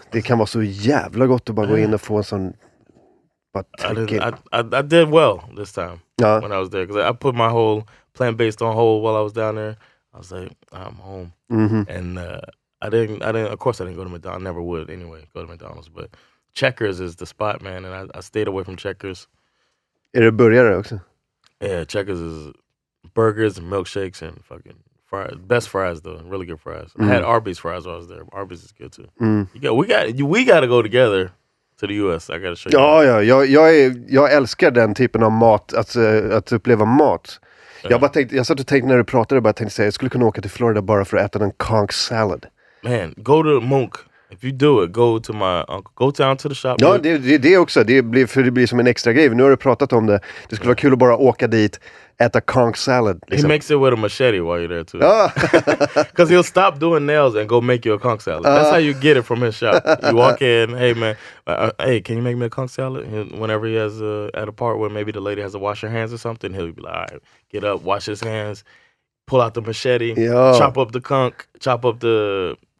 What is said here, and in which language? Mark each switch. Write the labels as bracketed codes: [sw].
[sv] Det kan vara så jävla gott att bara gå in och få en sån... [en] I did well this time when I was there. Because I put my whole plant-based on hold while I was down there. I was like, I'm home. Mm-hmm. And I didn't go to McDonald's. I never would anyway go to McDonald's, but... Checkers is the spot, man, and I stayed away from Checkers. [sv] Är det burgare också? [en] Yeah, Checkers is burgers and milkshakes and fucking fries. Best fries, though. Really good fries. Mm. I had Arby's fries while I was there. Arby's is good, too. Mm. We got to go together to the U.S. I got to show you. [sv] Jag älskar den typen av mat, att uppleva mat. Yeah. Jag satt och tänkte när du pratade, bara tänkte säga, jag skulle kunna åka till Florida bara för att äta en conch salad. [en] Man, go to Monk. If you do it, go to my uncle. Go down to the shop. [sv] Ja, det också. Det blir som en extra grej. Nu har du pratat om det. Det skulle vara kul att bara åka dit, äta conch salad. Liksom. [en] He makes it with a machete while you're there, too. Because he'll stop doing nails and go make you a conch salad. That's how you get it from his shop. You walk in, hey, man, hey, can you make me a conch salad? Whenever he has at a part where maybe the lady has to wash her hands or something, he'll be like, all right, get up, wash his hands, pull out the machete, chop up the conch, chop up the...